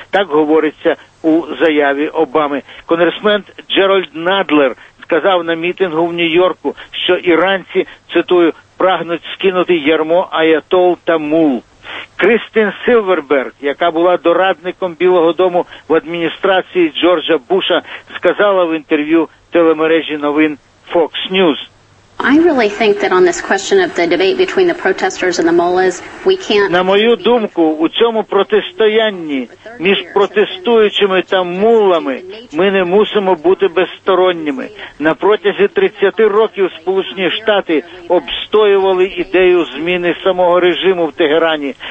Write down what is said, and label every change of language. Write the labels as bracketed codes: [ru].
[uk] Так говориться у заяві Обами. Конгресмен Джеральд Надлер сказав на мітингу в Нью-Йорку, що іранці, цитую, «прагнуть скинути ярмо Аятол та Мул». Кристін Сілверберг, яка була дорадником Білого Дому в адміністрації Джорджа Буша, сказала в інтерв'ю телемережі новин Fox News: [en] I really think that on this question of the debate between the protesters and the mullahs, we can't. [uk] На мою думку, у цьому протистоянні між протестуючими та мулами ми не мусимо бути безсторонніми. На протязі 30 років Сполучені Штати обстоювали ідею зміни самого режиму в Тегерані.